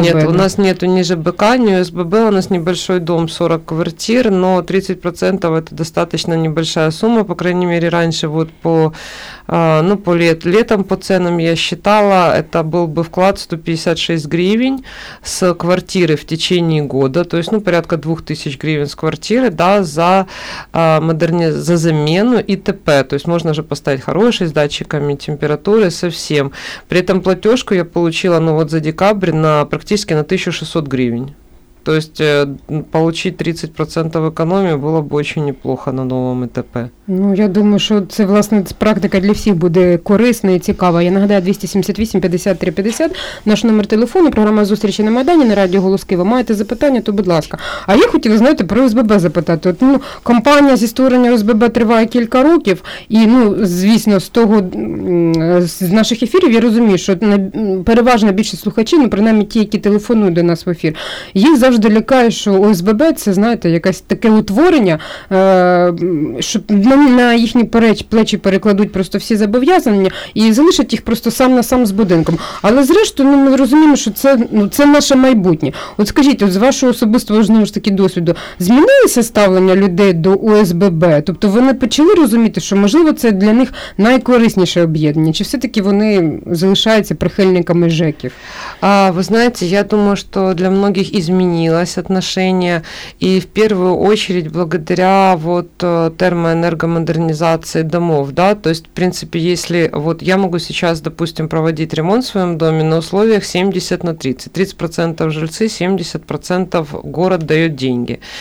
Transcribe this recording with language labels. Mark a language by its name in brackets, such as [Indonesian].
[Russian] Нет, у нас нету ни ЖБК, ни ОСББ, у нас небольшой дом, 40 квартир, но 30% это достаточно небольшая сумма, по крайней мере, раньше вот по, ну, по летом по ценам я считала, это был бы вклад 156 гривен с квартиры в течение года, то [Ukrainian] тобто, ну, порядка 2000 гривень з квартири, да, за за заміну ІТП. Тобто можна вже поставити хороший з датчиками температури, совсем. [Russian] При этом платежку я получила, ну, вот за декабрь на практически на 1600 гривень. То есть получить [Ukrainian] 30% економії було б дуже неплохо на новому ІТП. Ну, я думаю, що це, власне, практика для всіх буде корисна і цікава. Я нагадаю, 278-53-50, наш номер телефону, програма «Зустрічі на Майдані» на радіо «Голос Києва». Маєте запитання, то будь ласка. А я хотіла, знаєте, про ОСББ запитати. От, ну, компанія зі створення ОСББ триває кілька років, і, ну, звісно, з того, з наших ефірів я розумію, що переважна більшість слухачів, ну, принаймні ті, які телефонують до нас в ефір, їх завжди лякає, що ОСББ – це, знаєте, якесь таке утворення, щоб на їхні плечі перекладуть просто всі зобов'язання і залишать їх просто сам на сам з будинком. Але зрештою, ну, ми розуміємо, що це, ну, це наше майбутнє. От скажіть, от з вашого особистого, знову ж таки, досвіду, змінилося ставлення людей до ОСББ? Тобто вони почали розуміти, що, можливо, це для них найкорисніше об'єднання? Чи все-таки вони залишаються прихильниками ЖЕКів? А, ви знаєте, я думаю, що для многих і змінилось отношення, і в першу чергу, [Russian] благодаря вот термоэнергомодернизации домов, да, то есть, в принципе, если вот я могу сейчас, допустим, проводить ремонт в своем доме на условиях 70/30, 30% жильцы, 70% город дает деньги.